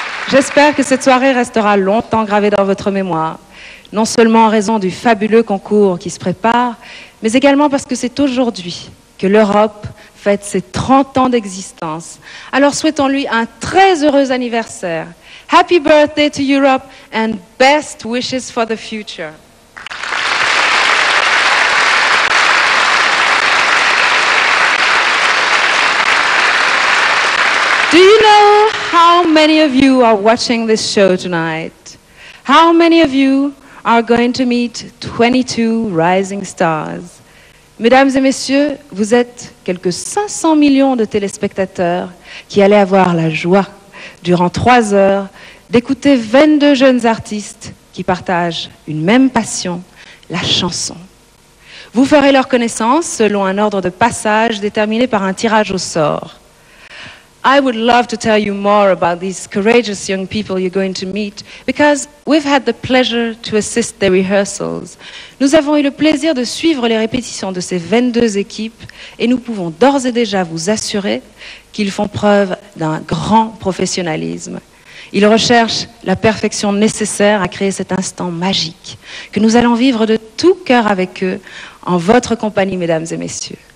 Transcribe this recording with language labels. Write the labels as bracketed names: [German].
[French] J'espère que cette soirée restera longtemps gravée dans votre mémoire, non seulement en raison du fabuleux concours qui se prépare, mais également parce que c'est aujourd'hui que l'Europe fête ses 30 ans d'existence. Alors souhaitons-lui un très heureux anniversaire. [English] Happy birthday to Europe and best wishes for the future. Do you know how many of you are watching this show tonight? How many of you are going to meet 22 rising stars? [French] Mesdames et messieurs, vous êtes quelques 500 millions de téléspectateurs qui allez avoir la joie durant 3 heures d'écouter 22 jeunes artistes qui partagent une même passion, la chanson. Vous ferez leur connaissance selon un ordre de passage déterminé par un tirage au sort. [English] I would love to tell you more about these courageous young people you're going to meet because we've had the pleasure to assist their rehearsals. [French] Nous avons eu le plaisir de suivre les répétitions de ces 22 équipes et nous pouvons d'ores et déjà vous assurer qu'ils font preuve d'un grand professionnalisme. Ils recherchent la perfection nécessaire à créer cet instant magique que nous allons vivre de tout cœur avec eux en votre compagnie, mesdames et messieurs.